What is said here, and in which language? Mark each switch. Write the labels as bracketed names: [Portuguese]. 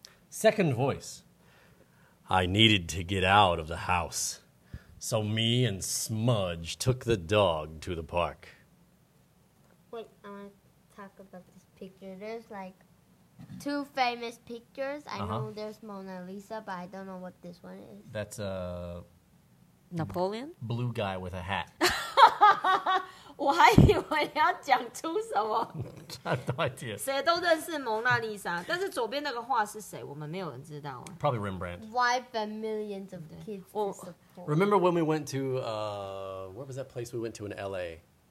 [English] Second voice, I needed to get out of the house, so me and Smudge took the dog to the park. Wait, I want to talk about this picture. There's like two famous pictures. I know there's Mona Lisa, but I don't know what this one is. That's a... Napoleon? Blue guy with a hat. [Chinese] 我还以为你要讲出什么 [English] ？No idea. [Chinese] 谁都认识蒙娜丽莎，但是左边那个画是谁？我们没有人知道啊。 [English] Probably Rembrandt. Why for millions of kids? Well, remember when we went to where was that place we went to in L.A.?